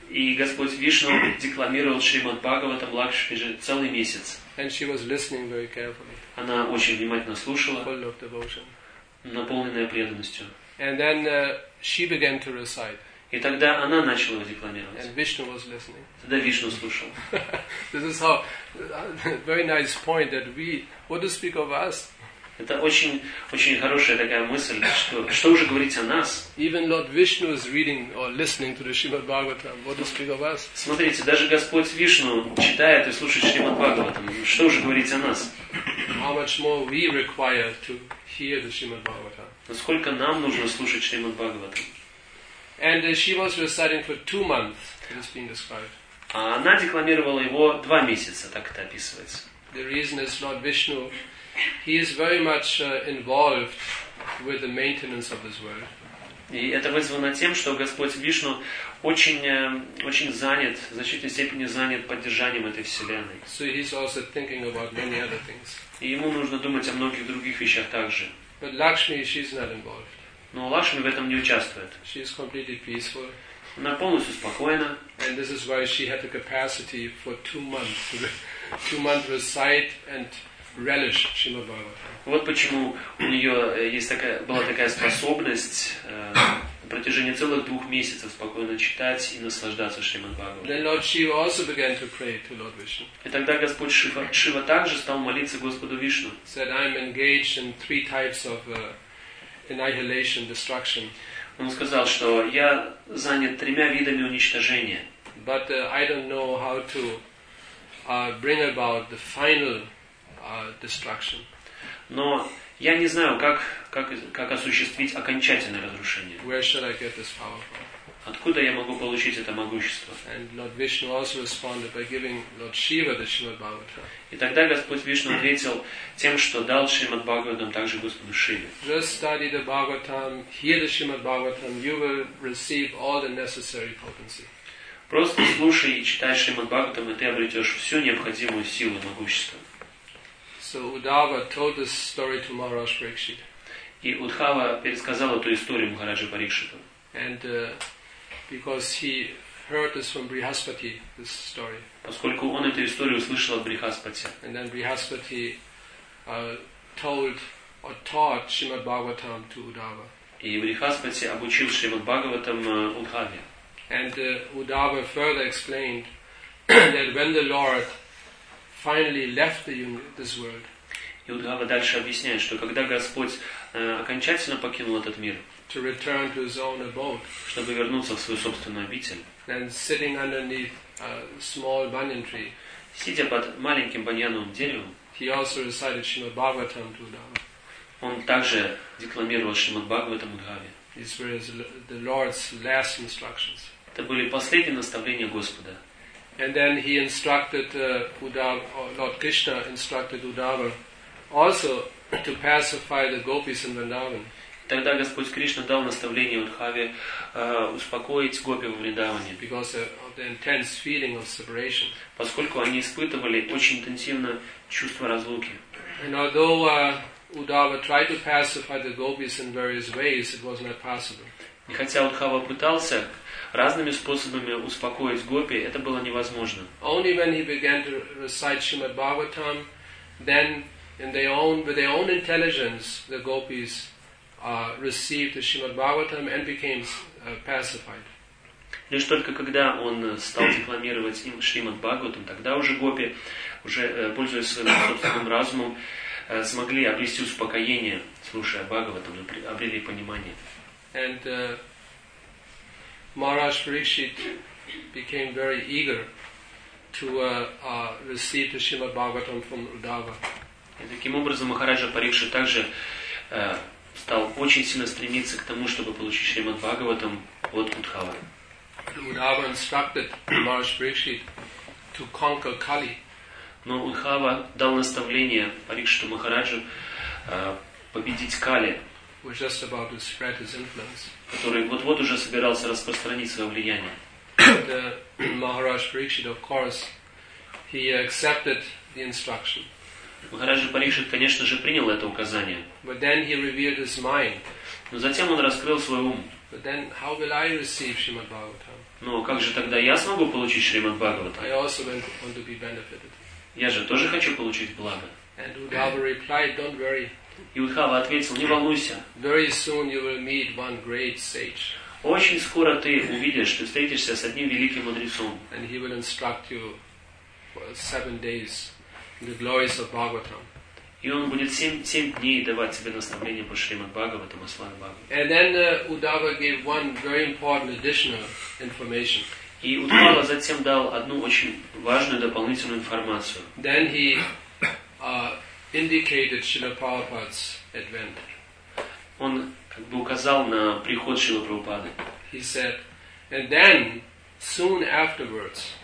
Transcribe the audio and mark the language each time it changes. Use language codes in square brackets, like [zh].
[ru] И Господь Вишну декламировал Шримад Бхагаватам Лакшмиджи целый месяц. [en] And she was listening very carefully. [ru] Она очень внимательно слушала, [en] full of devotion. [ru] Наполненная преданностью. [en] And then she began to recite. [ru] И тогда она начала его декламировать. Тогда Вишну слушал. [en] This is how very nice point that we what to speak of us. [ru] Это очень хорошая такая мысль, что уже говорить о нас. [en] Even Lord Vishnu is reading or listening to the Shrimad Bhagavatam. What to speak of us? [ru] Смотрите, даже Господь Вишну читает и слушает Шримад Бхагаватам. Что уже говорить о нас? [en] How much more we require to hear the Shrimad Bhagavatam? [ru] Насколько нам нужно слушать Шримад Бхагаватам? [en] And she was reciting for 2 months. It is being described. [ru] А она декламировала его 2 месяца, так это описывается. [en] The reason is Lord Vishnu, he is very much involved with the maintenance of this world. [ru] И это вызвано тем, что Господь Вишну очень занят, в значительной степени занят поддержанием этой вселенной. [en] So he is also thinking about many other things. [ru] И ему нужно думать о многих других вещах также. [en] But Lakshmi, she is not involved. [ru] Но Лакшми в этом не участвует. [en] She is completely peaceful. [ru] Она полностью спокойна. [en] And this is why she had the capacity for two months recite and relish Shrimad Bhagavatam. [ru] Вот почему у нее была такая способность на протяжении целых 2 месяцев спокойно читать и наслаждаться Шримад Бхагаватам. [en] Then Lord Shiva also began to pray to Lord Vishnu. [ru] И тогда Господь Шива также стал молиться Господу Вишну. [en] Said I'm engaged in 3 types of annihilation, destruction. [ru] Он сказал, что я занят 3 видами уничтожения. [en] But I don't know how to bring about the final destruction. [ru] Но я не знаю, как осуществить окончательное разрушение. [en] Where should I get this power from? [ru] Откуда я могу получить это могущество? [en] And Lord Vishnu also responded by giving Lord Shiva the Shrimad Bhagavatam. [ru] И тогда Господь Вишну ответил тем, что дал Шримад Бхагаватам также Господу Шиве. [en] Just study the Bhagavatam, hear the Shrimad Bhagavatam, you will receive all the necessary potency. [ru] Просто слушай и читай Шримад Бхагаватам, и ты обретешь всю необходимую силу и могущество. [en] So Uddhava told this story to Maharaj Parikshit. [ru] И Удхава пересказал эту историю Махараджи Парикшиту. [en] And because he heard this from Brihaspati, this story. [ru] Поскольку он эту историю услышал от Брихаспати. [en] And then Brihaspati told or taught Shrimad Bhagavatam to Uddhava. [ru] И Брихаспати обучил Шримад Бхагаватам Удхаве. [en] And Uddhava further explained that when the Lord finally left the this world. [ru] И Удхава дальше объясняет, что когда Господь окончательно покинул этот мир, [en] to return to his own abode, [ru] чтобы вернуться в свою собственную обитель, [en] and sitting underneath a small banyan tree, [ru] сидя под маленьким баньяновым деревом, [en] he also recited Shrimad Bhagavatam to Uddhava. [ru] Он также декламировал Шримад Бхагаватам Удхаве. [en] These were the Lord's last instructions. [ru] Это были последние наставления Господа. [en] And then he instructed Uddhava, Lord Krishna instructed Uddhava also to pacify the gopis in Vrindavan. [ru] Тогда Господь Кришна дал наставление Удхаве успокоить гопи во Вриндаване. [en] Because of the intense feeling of separation. [ru] Поскольку они испытывали очень интенсивное чувство разлуки. [en] And although Uddhava tried to pacify the gopis in various ways, it was not possible. [ru] И хотя Удхава пытался разными способами успокоить гопи, это было невозможно. [en] Only when he began to recite Shrimad Bhagavatam, then with their own intelligence, the gopis received the Shrimad Bhagavatam and became pacified. [ru] Лишь только когда он стал декламировать им Шримад Бхагаватам, тогда уже гопи, уже пользуясь своим собственным разумом, смогли обрести успокоение, слушая Бхагаватам, обрели понимание. [en] And Maharaj Parikshit became very eager to receive the Shrimad Bhagavatam from Uddhava. [ru] И таким образом Махараджа Парикшит также стал очень сильно стремиться к тому, чтобы получить Шримад Бхагаватам от Удхавы. [en] Uddhava instructed Maharaj Parikshit to conquer Kali. [ru] Но Удхава дал наставление Парикшиту Махараджу победить Кали, который вот-вот уже собирался распространить свое влияние. [en] Maharaj Parikshit, of course, he accepted the instruction. [ru] Махараджа Парикшит, конечно же, принял это указание. [en] But then he revealed his mind. [ru] Но затем он раскрыл свой ум. [en] But then how will I receive Shrimad Bhagavatam? [ru] Но как же тогда я смогу получить Шримад Бхагаватам? [en] I also want to be benefited. [ru] Я же тоже хочу получить благо. [en] And Uddhava replied, "Don't worry." [ru] И Удхава ответил, не волнуйся. [en] Very soon you will meet one great sage. [ru] Очень скоро ты увидишь, ты встретишься с одним великим мудрецом. [en] And he will instruct you for 7 days in the glories of Bhagavatam. [ru] И он будет 7 дней давать тебе наставление по Шримад Бхагаватам, славе Бхагаватам. [en] And then Uddhava gave one very important additional information. [ru] И Удхава затем дал одну очень важную дополнительную информацию. [en] Then he indicated Srila Prabhupada's advent. [ru] Он как бы указал на приход Шрилы Прабхупады. [en] He said, and then, soon afterwards,